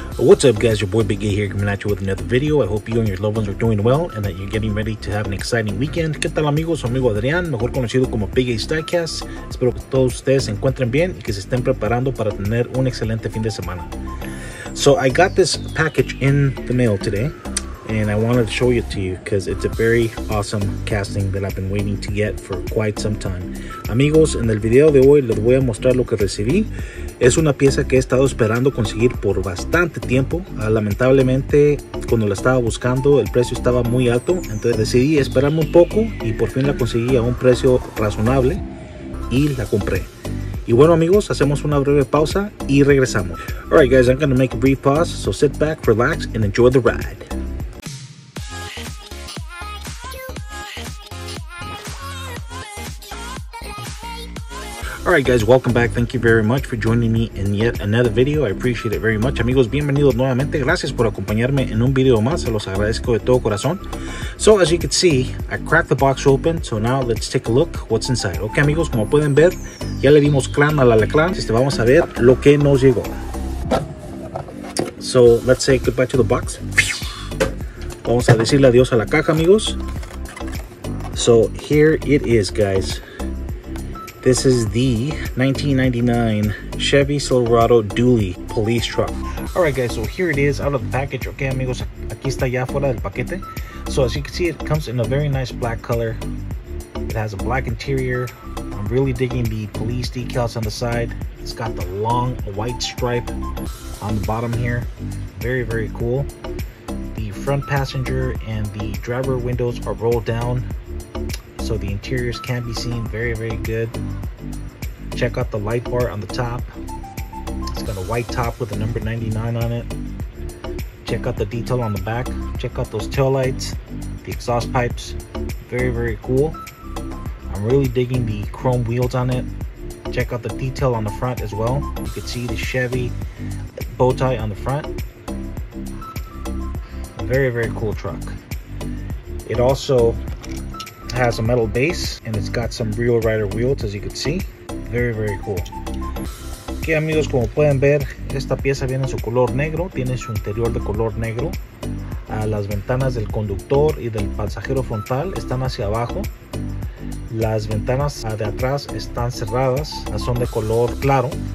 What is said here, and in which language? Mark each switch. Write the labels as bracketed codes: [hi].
[en] What's up guys, your boy Big A here coming at you with another video. I hope you and your loved ones are doing well and that you're getting ready to have an exciting weekend. [es] ¿Qué tal amigos? Su amigo Adrián, mejor conocido como Big A's Diecast. Espero que todos ustedes se encuentren bien y que se estén preparando para tener un excelente fin de semana. [en] So I got this package in the mail today and I wanted to show it to you because it's a very awesome casting that I've been waiting to get for quite some time. [es] Amigos, en el video de hoy les voy a mostrar lo que recibí. Es una pieza que he estado esperando conseguir por bastante tiempo. Lamentablemente, cuando la estaba buscando, el precio estaba muy alto. Entonces decidí esperarme un poco y por fin la conseguí a un precio razonable y la compré. Y bueno, amigos, hacemos una breve pausa y regresamos. [en] All right, guys, I'm going to make a brief pause. So sit back, relax, and enjoy the ride. Alright guys, welcome back. Thank you very much for joining me in yet another video. I appreciate it very much. [es] Amigos, bienvenidos nuevamente. Gracias por acompañarme en un video más. Se los agradezco de todo corazón. [en] So, as you can see, I cracked the box open. So now, let's take a look what's inside. [es] Okay, amigos, como pueden ver, ya le dimos clan a la clan. Vamos a ver lo que nos llegó. [en] So, let's say goodbye to the box. Vamos a decirle adiós a la caja, amigos. So, here it is, guys. This is the 1999 Chevy Silverado Dually police truck. All right, guys, so here it is out of the package. [es] Okay, amigos, aquí está ya fuera del paquete. [en] So as you can see, it comes in a very nice black color. It has a black interior. I'm really digging the police decals on the side. It's got the long white stripe on the bottom here. Very, very cool. The front passenger and the driver windows are rolled down, so the interiors can be seen. Very, very good. Check out the light bar on the top. It's got a white top with the number 99 on it. Check out the detail on the back. Check out those tail lights, the exhaust pipes. Very, very cool. I'm really digging the chrome wheels on it. Check out the detail on the front as well. You can see the Chevy bow tie on the front. Very, very cool truck. It also has a metal base and it's got some real rider wheels, as you can see. Very, very cool. [es] Okay, amigos, como pueden ver, esta pieza viene en su color negro, tiene su interior de color negro. Las ventanas del conductor y del pasajero frontal están hacia abajo. Las ventanas de atrás están cerradas, son de color claro.